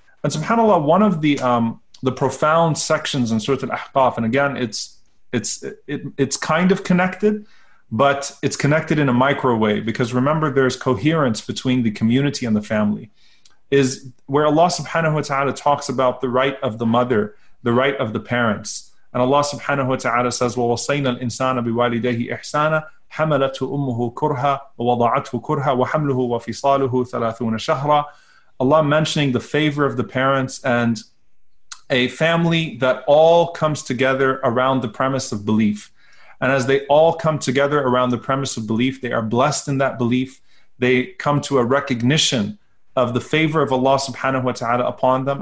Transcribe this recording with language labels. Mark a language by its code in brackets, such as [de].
[en] And subhanAllah, one of the profound sections in Surah Al-Ahqaf, and again, it's kind of connected, but it's connected in a micro way, because remember there's coherence between the community and the family, is where Allah subhanahu wa ta'ala talks about the right of the mother, the right of the parents. And Allah subhanahu wa ta'ala says, [ar] وَوَصَيْنَا الْإِنسَانَ بِوَالِدَيْهِ إِحْسَانًا حملته أمه كرها ووضعته كرها وحمله وفصاله 30 شهرا. [en] Allah mentioning the favor of the parents and a family that all comes together around the premise of belief. And as they all come together around the premise of belief, they are blessed in that belief. They come to a recognition of the favor of Allah subhanahu wa ta'ala upon them.